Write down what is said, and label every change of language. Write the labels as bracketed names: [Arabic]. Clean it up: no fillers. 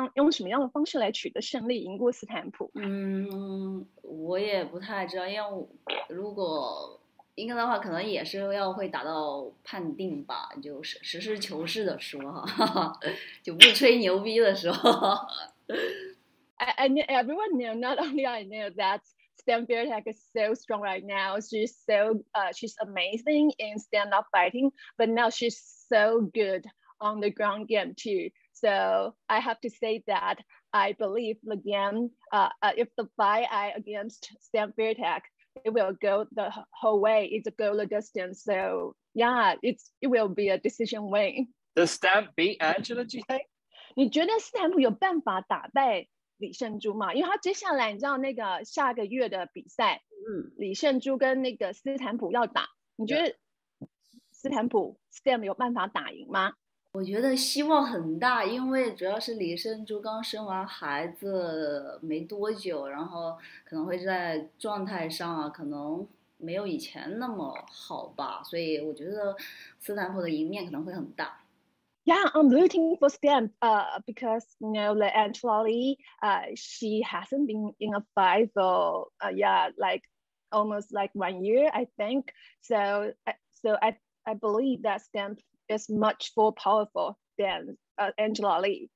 [Chinese] 如果说你真的跟那个斯坦普打的话，因为斯坦普现在的话，他现在已经不只是站立打得很好，他的地面对他的降服也做得很好。如果你真的跟他打的话，你觉得这场比赛会怎么样的方式来取？你会用什么样的方式来取得胜利，赢过斯坦普？我也不太知道，因为如果应该的话，可能也是要会打到判定吧，就实事求是的说，就不吹牛逼的时候。 [English] I knew everyone knew. Not only I knew that Stamp Fairtex is so strong right now. She's so she's amazing in stand up fighting, but now she's so good on the ground game too. So I have to say that I believe the game. If the fight I against Stamp Fairtex. It will go the whole way. It's a goal distance. So yeah, it will be a decision win. Does Stamp beat Angela, do you think? [Chinese] 你觉得斯坦普有办法打败李胜珠吗?因为他接下来你知道那个下个月的比赛, 李胜珠跟那个斯坦普要打, 你觉得斯坦普, Stamp有办法打赢吗? 我觉得希望很大, 因为主要是李胜珠刚生完孩子没多久, 然后可能会在状态上啊, 可能没有以前那么好吧, 所以我觉得斯坦普的赢面可能会很大。 [English] Yeah, I'm rooting for Stamp because, you know, the Angela Lee, she hasn't been in a fight for, like almost like 1 year, I think. So I believe that Stamp is much more powerful than Angela Lee.